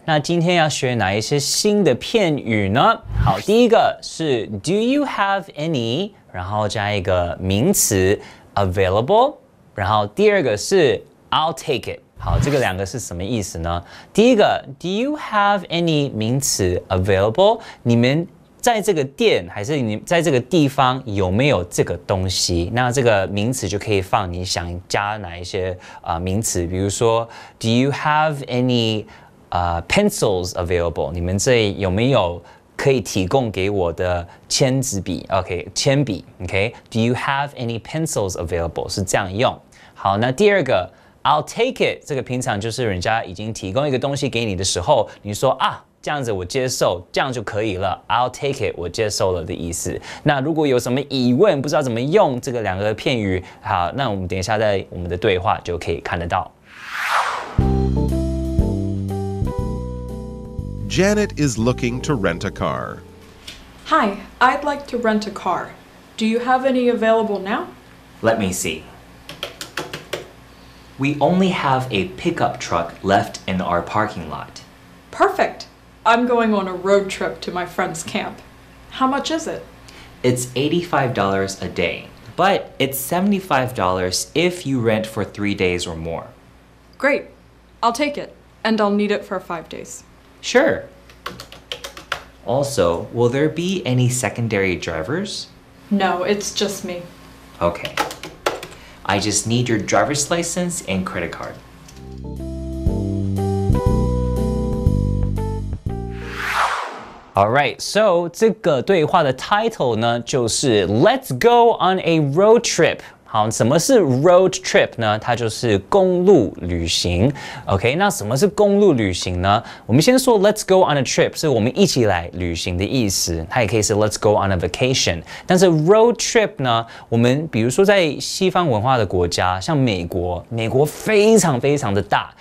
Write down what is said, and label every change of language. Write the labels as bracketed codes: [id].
[zh] 那今天要学哪一些新的片语呢？好，第一个是 [en] Do you have any? [zh] 然后加一个名词 [en] available. [zh] 然后第二个是 [en] I'll take it. [zh] 好，这个两个是什么意思呢？第一个 [en] Do you have any [zh] 名词 [en] available? [zh] 你们在这个店还是你在这个地方有没有这个东西？那这个名词就可以放你想加哪一些、名词，比如说 ， [en] Do you have any、pencils available？ [zh] 你们这里有没有可以提供给我的签字笔 ？OK， 铅笔。 [en] OK，Do you have any pencils available？ [zh] 是这样用。好，那第二个 ， [en] I'll take it。 [zh] 这个平常就是人家已经提供一个东西给你的时候，你说啊。这样子我接受，这样就可以了。 [en] I'll take it， [zh] 我接受了的意思。那如果有什么疑问，不知道怎么用这个两个片语，好，那我们等一下在我们的对话就可以看得到。 [en] Janet is looking to rent a car. Hi, I'd like to rent a car. Do you have any available now? Let me see. We only have a pickup truck left in our parking lot. Perfect. I'm going on a road trip to my friend's camp. How much is it? It's $85 a day, but it's $75 if you rent for 3 days or more. Great. I'll take it, and I'll need it for 5 days. Sure. Also, will there be any secondary drivers? No, it's just me. Okay. I just need your driver's license and credit card. All right, so [zh] 这个对话的 [en] title [zh] 呢，就是 [en] Let's go on a road trip. [zh] 好，什么是 road trip 呢？它就是公路旅行。 OK， 那什么是公路旅行呢？我们先说 [en] Let's go on a trip [zh] 是我们一起来旅行的意思，它也可以是 [en] Let's go on a vacation。 [zh] 但是 road trip 呢，我们比如说在西方文化的国家，像美国，美国非常非常的大。